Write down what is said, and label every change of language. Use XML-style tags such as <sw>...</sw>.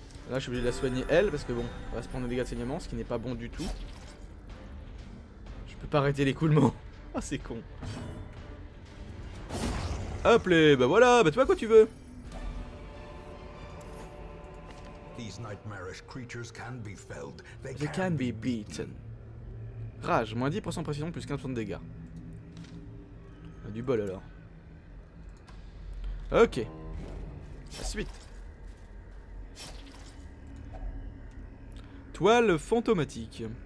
<fr>Là, je suis obligé de la soigner elle parce que bon, on va se prendre des dégâts de saignement, ce qui n'est pas bon du tout. Je peux pas arrêter l'écoulement. Ah, c'est con. Hop les, bah voilà, bah tu vois quoi tu veux.</fr> <en>These nightmarish creatures can be felled. They can be beaten.</en> <fr>Rage, moins 10% précision, plus 15% de dégâts. Du bol alors. Ok. La suite. Toile fantomatique.</fr>